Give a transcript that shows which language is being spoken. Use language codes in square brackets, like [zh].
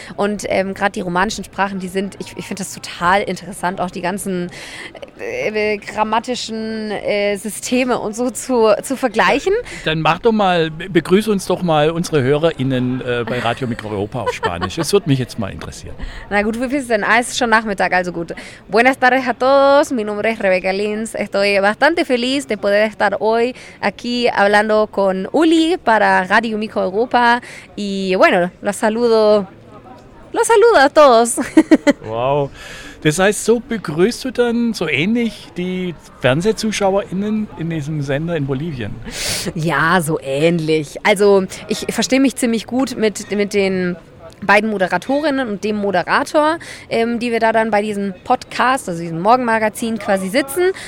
[de] Und gerade die romanischen Sprachen, die sind, ich finde das total interessant, auch die ganzen grammatischen Systeme und so zu vergleichen. Dann mach doch mal, begrüße uns doch mal unsere HörerInnen bei Radio Mikroeuropa auf Spanisch. Es würde mich jetzt mal interessieren. Na gut, wie viel ist denn? Es ist schon Nachmittag, also gut. [es] Buenas tardes a todos. Mi nombre es Rebeca Linz. Estoy bastante feliz de poder estar hoy aquí hablando con Uli para Radio Micro Europa. Y bueno, los saludo a todos. Wow. [de] Das heißt, so begrüßt du dann so ähnlich die FernsehzuschauerInnen in diesem Sender in Bolivien? Ja, so ähnlich. Also ich verstehe mich ziemlich gut mit den beiden Moderatorinnen und dem Moderator, die wir da dann bei diesem Podcast, also diesem Morgenmagazin quasi sitzen.